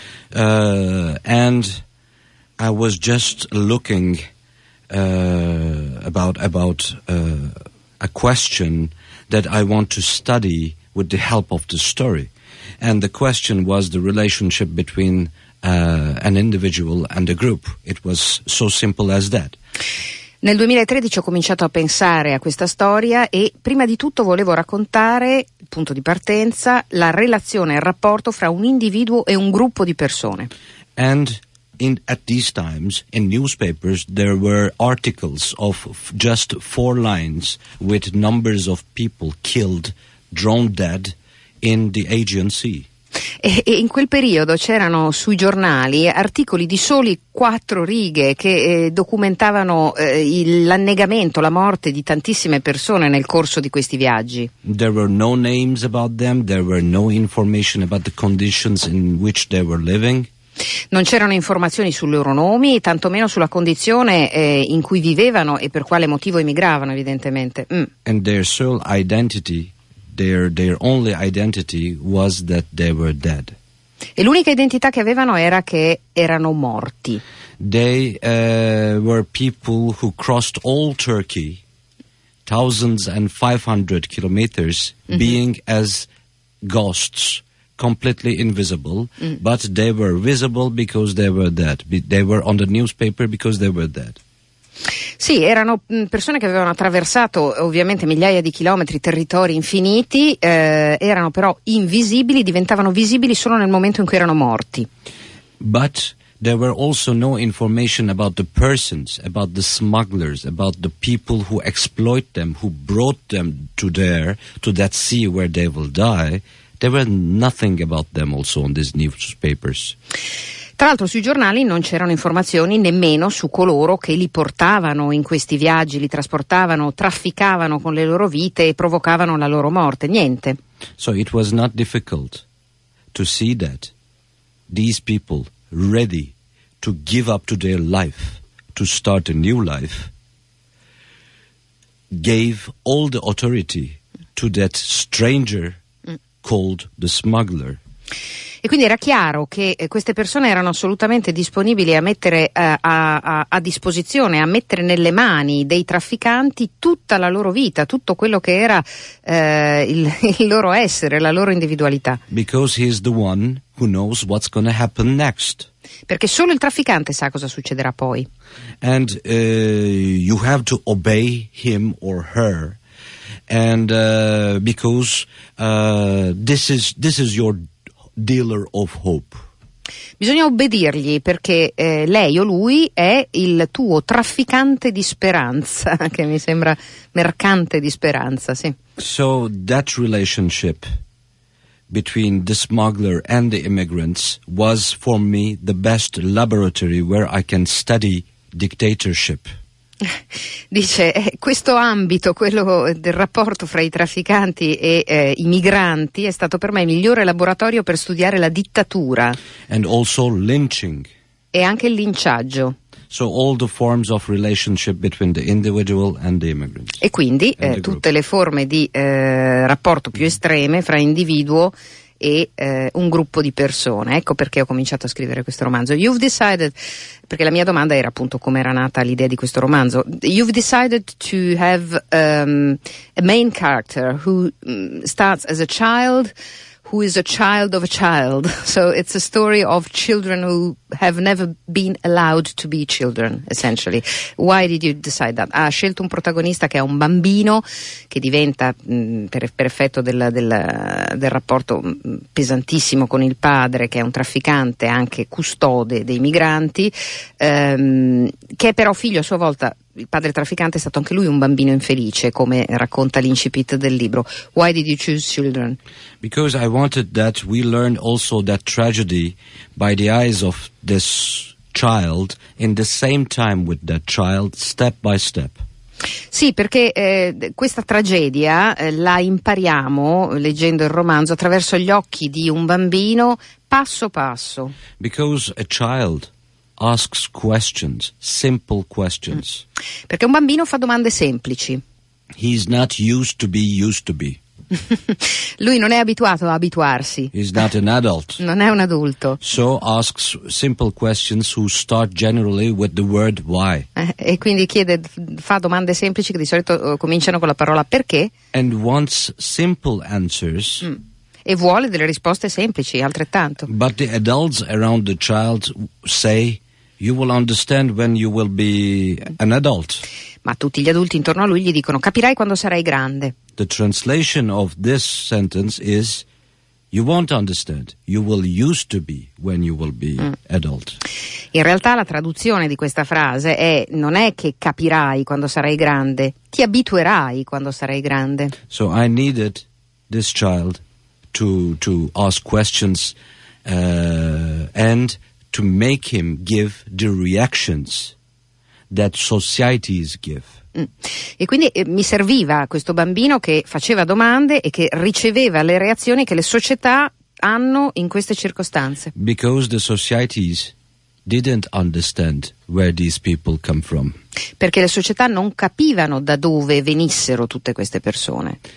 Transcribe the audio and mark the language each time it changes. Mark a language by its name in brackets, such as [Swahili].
[English] And I was just looking about a question that I want to study with the help of the story. And the question was the relationship between an individual and a group. It was so simple as that. [Italian] Nel 2013 ho cominciato a pensare a questa storia e prima di tutto volevo raccontare, punto di partenza, la relazione, il rapporto fra un individuo e un gruppo di persone. [English] And in, at these times, in newspapers, there were articles of just four lines with numbers of people killed, drone dead, in the Aegean Sea. [Italian] E in quel periodo c'erano sui giornali articoli di soli quattro righe che documentavano l'annegamento, la morte di tantissime persone nel corso di questi viaggi. [English] There were no names about them, there were no information about the conditions in which they were living. [Italian] Non c'erano informazioni sui loro nomi, tantomeno sulla condizione in cui vivevano e per quale motivo emigravano, evidentemente. [English] And their sole identity, their only identity was that they were dead. [Italian] E l'unica identità che avevano era che erano morti. [English] They were people who crossed all Turkey, thousands and 500 kilometers, mm-hmm. being as ghosts. Completely invisible, but they were visible because they were dead. They were on the newspaper because they were dead. [Italian] Sì, erano persone che avevano attraversato ovviamente migliaia di chilometri, territori infiniti, erano però invisibili, diventavano visibili solo nel momento in cui erano morti. [English] But there were also no information about the persons, about the smugglers, about the people who exploit them, who brought them to there, to that sea where they will die. There were nothing about them also on these newspapers. [Italian] Tra l'altro sui giornali non c'erano informazioni nemmeno su coloro che li portavano in questi viaggi, li trasportavano, trafficavano con le loro vite e provocavano la loro morte, niente. [English] So it was not difficult to see that these people ready to give up to their life, to start a new life, gave all the authority to that stranger called the smuggler. [Italian] E quindi era chiaro che queste persone erano assolutamente disponibili a mettere a disposizione, a mettere nelle mani dei trafficanti tutta la loro vita, tutto quello che era il loro essere, la loro individualità. [English] Because he is the one who knows what's going to happen next. [Italian] Perché solo il trafficante sa cosa succederà poi. [English] And you have to obey him or her. And because this is your dealer of hope. [Italian] Bisogna obbedirgli perché lei o lui è il tuo trafficante di speranza, che mi sembra mercante di speranza, sì. [English] So that relationship between the smuggler and the immigrants was for me the best laboratory where I can study dictatorship. [Italian] Dice, questo ambito, quello del rapporto fra i trafficanti e i migranti, è stato per me il migliore laboratorio per studiare la dittatura. [English] And also lynching. [Italian] E anche il linciaggio. [English] So all the forms of relationship between the individual and the immigrant. [Italian] E quindi tutte le forme di rapporto più estreme fra individuo e un gruppo di persone. Ecco perché ho cominciato a scrivere questo romanzo. [English] You've decided, [Italian] perché la mia domanda era appunto come era nata l'idea di questo romanzo. [English] You've decided to have a main character who starts as a child, who is a child of a child. So it's a story of children who have never been allowed to be children, essentially. Why did you decide that? [Italian] Ha scelto un protagonista che è un bambino che diventa, per effetto del rapporto pesantissimo con il padre, che è un trafficante, anche custode dei migranti, che è però figlio a sua volta, il padre trafficante è stato anche lui un bambino infelice, come racconta l'incipit del libro. [English] Why did you choose children? Because I wanted that we learn also that tragedy by the eyes of this child in the same time with that child, step by step. [Italian] Sì, perché questa tragedia la impariamo leggendo il romanzo attraverso gli occhi di un bambino, passo passo. [English] Because a child asks questions, simple questions. [Italian] Perché un bambino fa domande semplici. [English] He's not used to be used to be. [Italian] Lui non è abituato a abituarsi. [English] He's not an adult. [Italian] Non è un adulto. [English] So asks simple questions who start generally with the word why. [Italian] E quindi chiede, fa domande semplici che di solito cominciano con la parola perché. [English] And wants simple answers. [Italian] e vuole delle risposte semplici altrettanto. [English] But the adults around the child say you will understand when you will be an adult. [Italian] Ma tutti gli adulti intorno a lui gli dicono capirai quando sarai grande. [English] The translation of this sentence is you won't understand. You will used to be when you will be adult. [Italian] In realtà la traduzione di questa frase è non è che capirai quando sarai grande, ti abituerai quando sarai grande. [English] So I needed this child to ask questions and to make him give the reactions that societies give. [Italian] E quindi mi serviva questo bambino che faceva domande e che riceveva le reazioni che le società hanno in queste circostanze. [English] Because the societies didn't understand where these people come from. [Italian] Perché le società non capivano da dove venissero tutte queste persone.